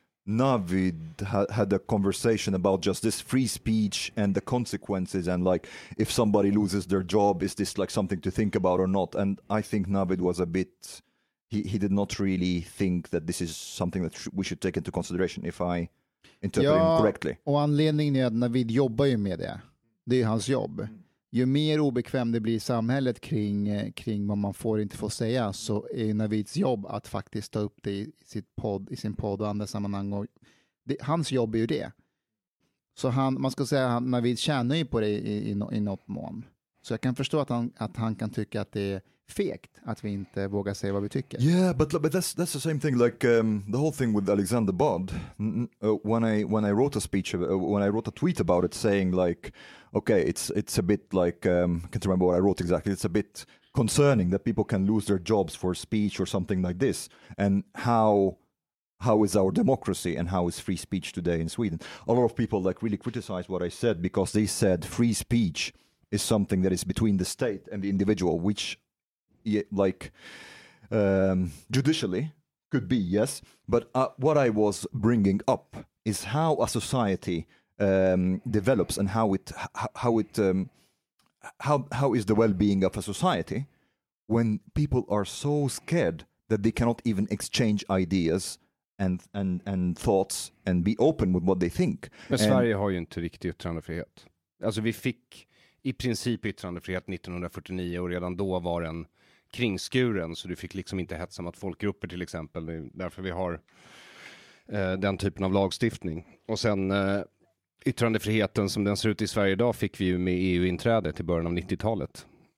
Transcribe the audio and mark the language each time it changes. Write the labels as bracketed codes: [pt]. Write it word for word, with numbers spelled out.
[en] Navid ha- had a conversation about just this free speech and the consequences and like if somebody loses their job, is this like something to think about or not? And I think Navid was a bit, he, he did not really think that this is something that sh- we should take into consideration if I interpret [sv] ja, [en] him correctly. [sv] Och anledningen är att Navid jobbar ju med det. Det är hans jobb. Ju mer obekväm det blir i samhället kring, kring vad man får inte får säga så är Navids jobb att faktiskt ta upp det i, sitt podd, i sin podd och andra sammanhang. Och det, hans jobb är ju det. Så han, man ska säga att Navid tjänar ju på det i, i, i något mån. Så jag kan förstå att han, att han kan tycka att det är fegt att vi inte vågar säga vad vi tycker. [en] Yeah, but but that's that's the same thing. Like um, the whole thing with Alexander Bard. Uh, when I when I wrote a speech, uh, when I wrote a tweet about it, saying like, okay, it's it's a bit like um, I can't remember what I wrote exactly. It's a bit concerning that people can lose their jobs for speech or something like this, and how. How is our democracy and how is free speech today in Sweden? A lot of people like really criticized what I said because they said free speech is something that is between the state and the individual, which, like, um, judicially could be, yes. But uh, what I was bringing up is how a society um, develops and how it, how it, um, how how is the well-being of a society when people are so scared that they cannot even exchange ideas. And, and, and thoughts and be open with what they think. [sv] Men Sverige and, har ju inte riktig yttrandefrihet. Alltså vi fick i princip yttrandefrihet nittonhundrafyrtionio och redan då var den kringskuren, så du fick liksom inte hetsa mot folkgrupper till exempel. Det är därför vi har eh, den typen av lagstiftning. Och sen eh, yttrandefriheten som den ser ut i Sverige idag fick vi ju med E U-inträdet i början av nittiotalet.